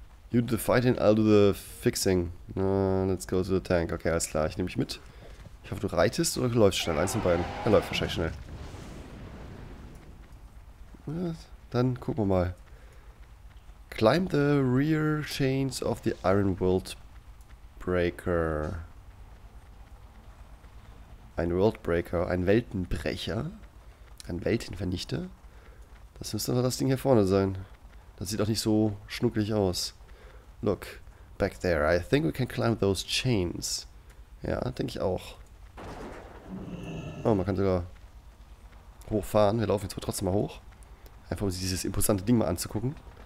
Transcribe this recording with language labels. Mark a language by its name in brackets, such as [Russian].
[English] You do the fighting, I'll do the fixing. Let's go to the tank. [German] Okay, alles klar, ich nehme mich mit. Ich hoffe, du reitest oder du läufst schnell. Eins von beiden. Er läuft wahrscheinlich schnell. Ja, dann gucken wir mal. [English] Climb the rear chains of the Iron World Breaker. [German] Ein Worldbreaker, ein Weltenbrecher. Ein Weltenvernichter. Das müsste doch das Ding hier vorne sein. Das sieht doch nicht so schnucklig aus. [English] Look, back there. I think we can climb those chains. [German] Ja, denke ich auch. Oh, man kann sogar hochfahren. Wir laufen jetzt aber trotzdem mal hoch. Einfach um sich dieses imposante Ding mal anzugucken.